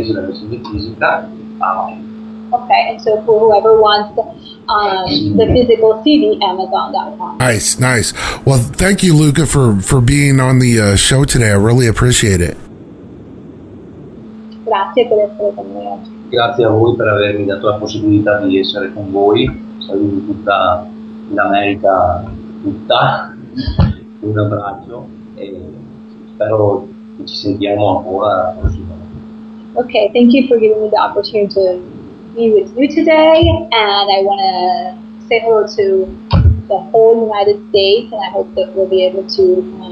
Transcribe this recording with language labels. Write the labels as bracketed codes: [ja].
[en] Okay, and so for whoever wants the physical CD, Amazon.com. Nice. Well, thank you, Luca, for being on the show today. I really appreciate it. [it] Grazie per essere con noi. Grazie a voi per avermi dato la possibilità di essere con voi. Saluto tutta l'America tutta. Un abbraccio e spero che ci sentiamo ancora la prossima. [en] Okay, thank you for giving me the opportunity to be with you today, and I want to say hello to the whole United States, and I hope that we'll be able to